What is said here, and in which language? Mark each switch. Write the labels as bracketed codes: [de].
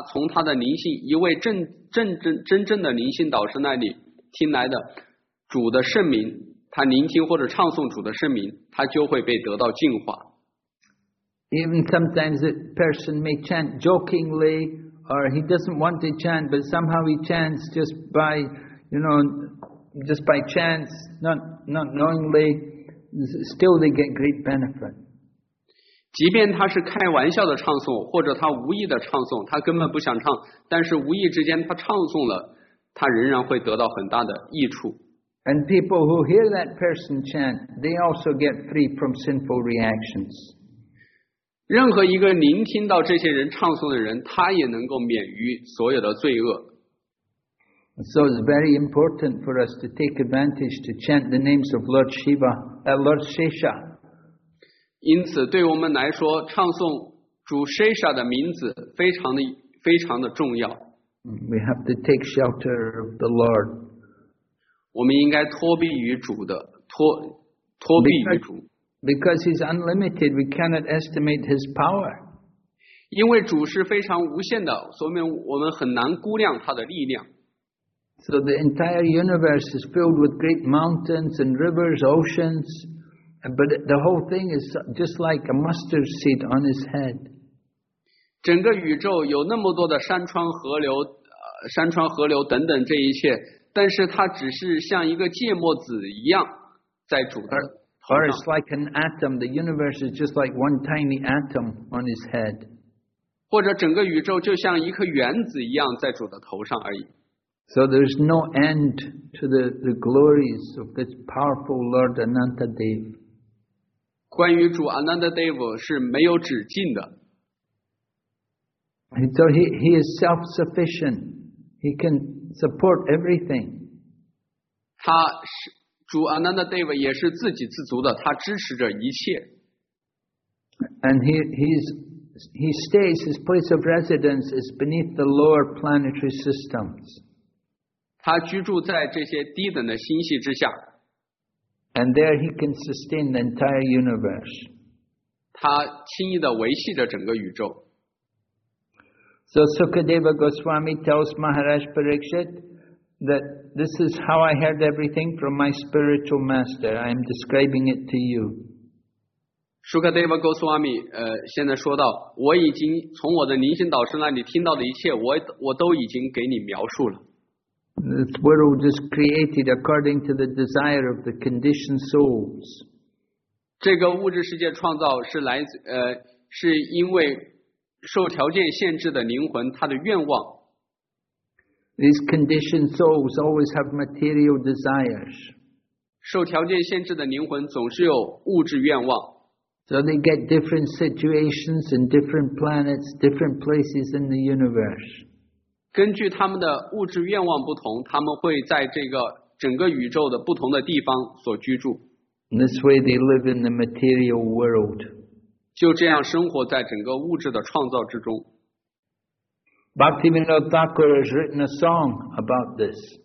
[zh] 任何人，无论是他处在忧郁还是很悲伤的这个状况，他只要去聆听或者唱诵的，他从他的灵性一位真正的灵性导师那里。 听来的主的圣名他聆听或者唱诵主的圣名，他就会被得到净化。 [en] Even sometimes a person may chant jokingly, or he doesn't want to chant, but somehow he chants just by, you know, just by chance, not knowingly, still they get great benefit. [zh] 即便他是开玩笑的唱诵，或者他无意的唱诵，他根本不想唱，但是无意之间他唱诵了，他仍然会得到很大的益处。 [en] And people who hear that person chant, they also get free from sinful reactions. [zh] 任何一个聆听到这些人唱诵的人，他也能够免于所有的罪恶。 [en] So it's very important for us to take advantage to chant the names of Lord Shiva, Lord Shesha. [zh] 因此，对我们来说，唱诵主 Shesha 的名字非常的重要。 [en] We have to take shelter of the Lord. [zh] 我们应该托庇于主的，托庇于主。 [en] Because he's unlimited, we cannot estimate his power. [zh] 因为主是非常无限的，所以我们很难估量他的力量。 [en] So the entire universe is filled with great mountains and rivers, oceans, but the whole thing is just like a mustard seed on his head. [zh] 整个宇宙有那么多的山川河流等等这一切，但是它只是像一个芥末籽一样在主的头上。 [en] Or it's like an atom. The universe is just like one tiny atom on his head. [zh] 或者整个宇宙就像一颗原子一样在主的头上而已。 [en] So there's no end to the glories of this powerful Lord Ananta Dev. [zh] 关于主 Ananta Dev 是没有止境的。 [en] And so he is self-sufficient. He can support everything. [zh] 他是主 Ananta Dev 也是自给自足的，他支持着一切。 [en] And he stays, his place of residence is beneath the lower planetary systems. [zh] 他居住在这些低等的星系之下。 [en] And there he can sustain the entire universe. [zh] 他轻易地维系着整个宇宙。 [en] So Sukadeva Goswami tells Maharaj Parikshit that this is how I heard everything from my spiritual master. I am describing it to you. [zh] Sukadeva Goswami, 现在说到，我已经从我的灵性导师那里听到的一切，我都已经给你描述了。 [en] This world is created according to the desire of the conditioned souls. [zh] 这个物质世界创造是来自是因为受条件限制的灵魂他的愿望。 [en] These conditioned souls always have material desires. [zh] 受条件限制的灵魂总是有物质愿望。 [en] So they get different situations in different planets, different places in the universe. [zh] 根据他们的物质愿望不同，他们会在这个整个宇宙的不同的地方所居住。 [en] This way they live in the material world. [zh] 就这样生活在整个物质的创造之中。 [en] Bhaktivinoda Thakur has written a song about this.